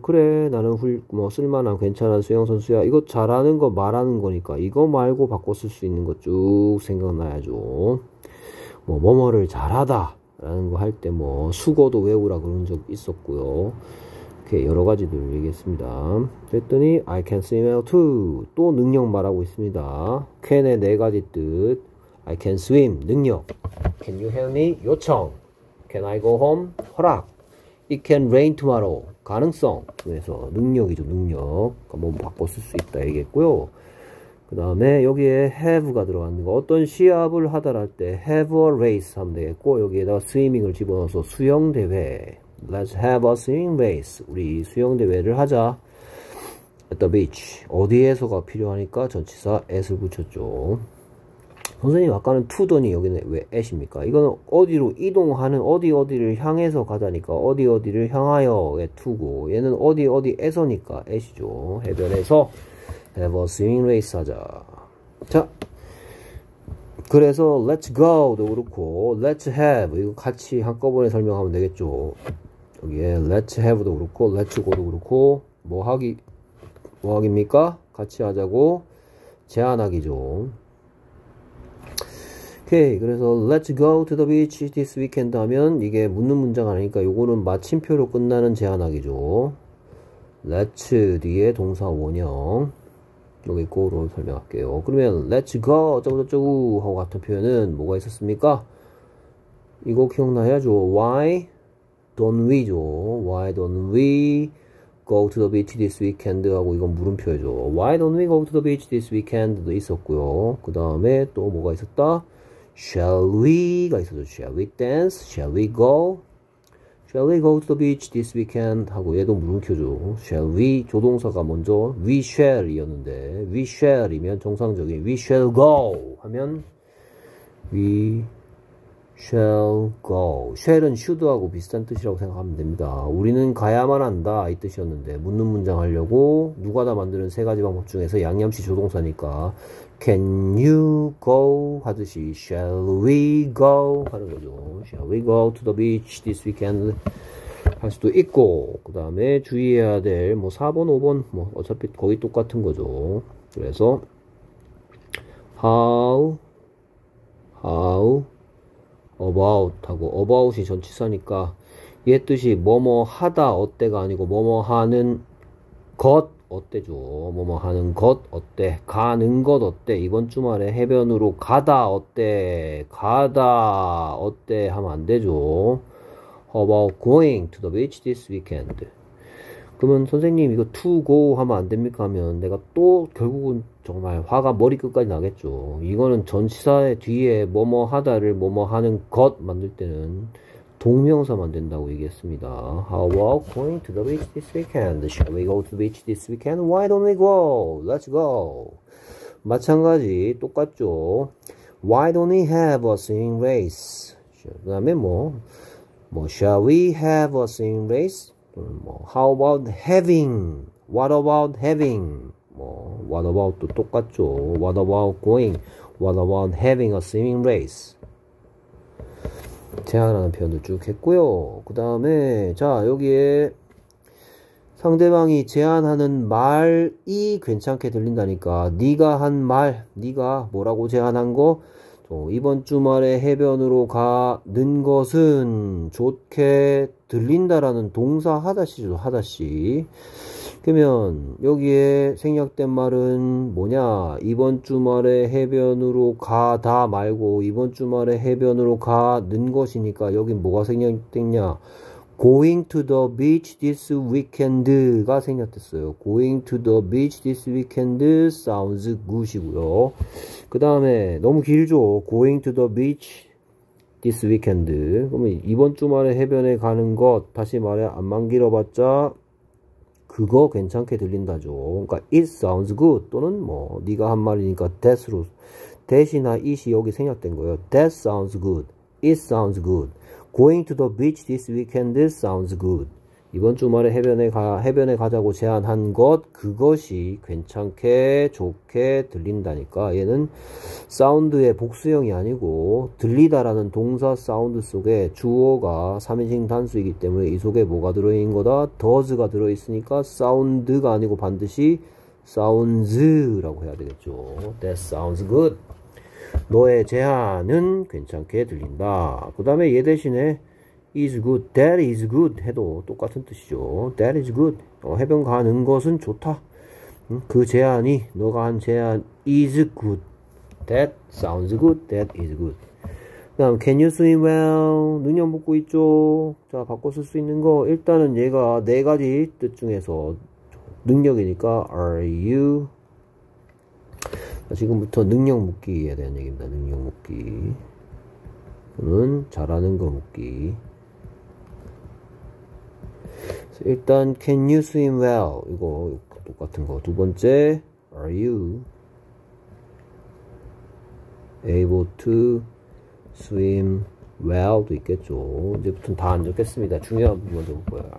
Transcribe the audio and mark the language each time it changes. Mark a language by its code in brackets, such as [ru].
[ko] 그래, 나는 뭐 쓸만한 괜찮은 수영 선수야. 이거 잘하는 거 말하는 거니까 이거 말고 바꿔 쓸수 있는 거쭉 생각나야죠. 뭐 뭐뭐를 잘하다라는 거할때뭐 숙어도 외우라 그런 적 있었고요. 이렇게 여러 가지들을 얘기했습니다. 그랬더니 [en] I can swim well too. [ko] 또 능력 말하고 있습니다. Can의 네 가지 뜻. [en] I can swim [ko] 능력. [en] Can you help me [ko] 요청. [en] Can I go home [ko] 허락. [en] It can rain tomorrow. [ko] 가능성. 그래서 능력이죠, 능력. 한번 바꿔 쓸수 있다 얘기했고요. 그 다음에 여기에 have가 들어갔는 거. 어떤 시합을 하다랄 때 [en] have a race [ko] 하면 되겠고, 여기에다가 swimming을 집어넣어서 수영 대회. [en] Let's have a swimming race. [ko] 우리 수영 대회를 하자. [en] At the beach. [ko] 어디에서가 필요하니까 전치사 at을 붙였죠. 선생님, 아까는 to더니 여기는 왜 at입니까? 이거는 어디로 이동하는, 어디 어디를 향해서 가자니까, 어디 어디를 향하여의 to고, 얘는 어디 어디에서니까 at이죠. 해변에서 [en] have a swimming race [ko] 하자. 자, 그래서 let's go도 그렇고, let's have, 이거 같이 한꺼번에 설명하면 되겠죠. 여기에 let's have도 그렇고, let's go도 그렇고, 뭐 하기입니까? 같이 하자고, 제안하기죠. 오케이, 그래서 [en] let's go to the beach this weekend [ko] 하면 이게 묻는 문장 아니니까 요거는 마침표로 끝나는 제안하기죠. let's 뒤에 동사 원형 여기 go로 설명할게요. 그러면 let's go 어쩌고저쩌고 하고 같은 표현은 뭐가 있었습니까? 이거 기억나야죠. why don't we죠. [en] why don't we go to the beach this weekend [ko] 하고 이건 물음표죠. [en] why don't we go to the beach this weekend도 있었고요. [ko] 그 다음에 또 뭐가 있었다? [en] Shall we? [ko] 가 있어도 [en] Shall we dance? Shall we go? Shall we go to the beach this weekend? [ko] 하고 얘도 물음표죠. [en] Shall we? [ko] 조동사가 먼저 [en] We shall 이었는데 We shall이면 정상적인 We shall go 하면 We shall go. [ko] shall은 should하고 비슷한 뜻이라고 생각하면 됩니다. 우리는 가야만 한다. 이 뜻이었는데, 묻는 문장 하려고 누가 다 만드는 세 가지 방법 중에서 양념식 조동사니까 can you go 하듯이 shall we go 하는 거죠. [en] shall we go to the beach this weekend [ko] 할 수도 있고, 그 다음에 주의해야 될뭐 4번, 5번, 뭐 어차피 거의 똑같은 거죠. 그래서 how about 하고 about이 전치사니까 얘 뜻이 뭐뭐 하다 어때가 아니고 뭐뭐 하는 것 어때죠. 뭐뭐 하는 것 어때, 가는 것 어때, 이번 주말에 해변으로 가다 어때, 가다 어때 하면 안 되죠. [en] How about going to the beach this weekend? [ko] 그러면 선생님 이거 to go 하면 안 됩니까? 하면 내가 또 결국은 정말 화가 머리끝까지 나겠죠. 이거는 전치사의 뒤에 뭐뭐 하다를 뭐뭐 하는 것 만들 때는 동명사만 된다고 얘기했습니다. [en] How about going to the beach this weekend? Shall we go to the beach this weekend? Why don't we go? Let's go. 마찬가지 똑같죠. Why don't we have a singing race? [ko] 그 다음에 뭐, [en] shall we have a singing race? 뭐, how about having? What about having? [ko] 뭐, what about도 똑같죠. [en] What about going? What about having a singing race? [ko] 제안하는 표현도 쭉 했고요. 그 다음에, 자, 여기에 상대방이 제안하는 말이 괜찮게 들린다니까. 네가 한 말, 네가 뭐라고 제안한 거? 이번 주말에 해변으로 가는 것은 좋게 들린다라는 동사 하다시죠, 하다시. 그러면 여기에 생략된 말은 뭐냐? 이번 주말에 해변으로 가다 말고 이번 주말에 해변으로 가는 것이니까 여긴 뭐가 생략됐냐? [en] Going to the beach this weekend가 [ko] 생략됐어요. [en] Going to the beach this weekend sounds good이고요. [ko] 그 다음에 너무 길죠? [en] Going to the beach this weekend. [ko] 그러면 이번 주말에 해변에 가는 것, 다시 말해 안만 길어봤자 그거 괜찮게 들린다죠. 그러니까 [en] it sounds good [ko] 또는 뭐 네가 한 말이니까 that으로 that이나 it이 여기 생략된 거예요. [en] That sounds good. It sounds good. Going to the beach this weekend sounds good. [ko] 이번 주말에 해변에 가자고 제안한 것, 그것이 괜찮게 좋게 들린다니까. 얘는 사운드의 복수형이 아니고 들리다라는 동사 사운드 속에 주어가 3인칭 단수이기 때문에 이 속에 뭐가 들어있는 거다? does가 들어있으니까 사운드가 아니고 반드시 sounds라고 해야 되겠죠. [en] That sounds good. [ko] 너의 제안은 괜찮게 들린다. 그 다음에 얘 대신에 [en] is good, that is good [ko] 해도 똑같은 뜻이죠. [en] That is good. [ko] 해변 가는 것은 좋다. 그 제안이, 너가 한 제안 is good. [en] That sounds good. That is good. [ko] 그 다음, [en] can you swim well? [ko] 눈여 묻고 있죠. 자, 바꿔 쓸수 있는 거. 일단은 얘가 네 가지 뜻 중에서 능력이니까 [en] are you? [ko] 지금부터 능력 묻기에 대한 얘기입니다. 능력 묻기. 그러면 잘하는 거 묻기. 일단 [en] can you swim well? [ko] 이거 똑같은 거. 두 번째, [en] are you able to swim well?도 있겠죠. [ko] 이제부터는 다안 적겠습니다. 중요한 부분 먼저 볼 거예요.